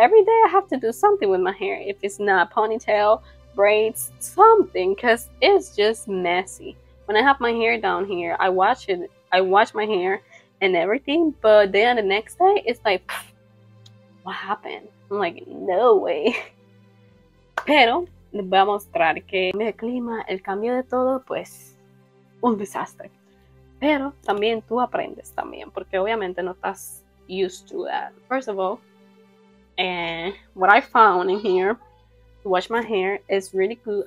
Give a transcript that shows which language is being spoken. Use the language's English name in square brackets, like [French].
[English] Every day I have to do something with my hair, if it's not ponytail, braids, something, because it's just messy. When I have my hair down here, I wash it. I wash my hair and everything, but then the next day it's like, what happened? I'm like, no way. [Spanish] Pero les voy a mostrar que el clima, el cambio de todo, pues un desastre. Pero también tú aprendes también, porque obviamente no estás [English] used to that. First of all, what I found in here to wash my hair is really good.